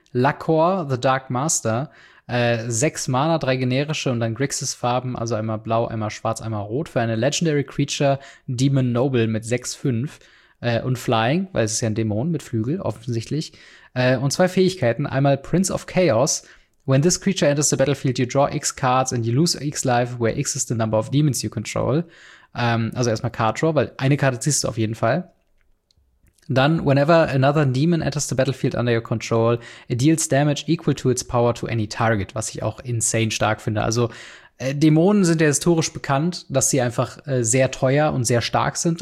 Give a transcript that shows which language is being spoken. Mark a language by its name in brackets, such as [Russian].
[German] Lacor, The Dark Master. 6 Mana, 3 generische und dann Grixis-Farben, also einmal blau, einmal schwarz, einmal rot, für eine Legendary Creature Demon Noble mit 6/5 und Flying, weil es ist ja ein Dämon mit Flügel, offensichtlich. Und zwei Fähigkeiten, einmal Prince of Chaos. [English] When this creature enters the battlefield, you draw X cards and you lose X life, where X is the number of demons you control. [German] Also erstmal Card Draw, weil eine Karte ziehst du auf jeden Fall. Dann, [English] whenever another demon enters the battlefield under your control, it deals damage equal to its power to any target, [German] was ich auch insane stark finde. Also, Dämonen sind ja historisch bekannt, dass sie einfach sehr teuer und sehr stark sind.